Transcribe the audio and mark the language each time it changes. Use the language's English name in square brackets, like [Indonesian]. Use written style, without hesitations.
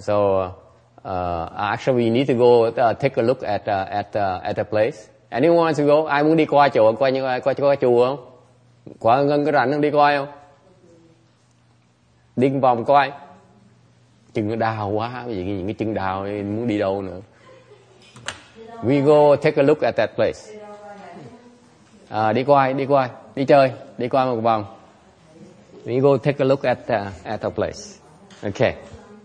[English] So, actually, we need to go take a look at a place. Anyone wants to go? [Vietnamese] Ai muốn đi qua chỗ, qua chùa không? Quá Ngân có rảnh không đi coi không? Đi vòng coi. Chân nó đau quá, vậy những cái chân đau muốn đi đâu nữa. [English] We go take a look at that place. [Vietnamese] À, đi coi, đi chơi, đi coi một vòng. [English] We go take a look at the place. Okay.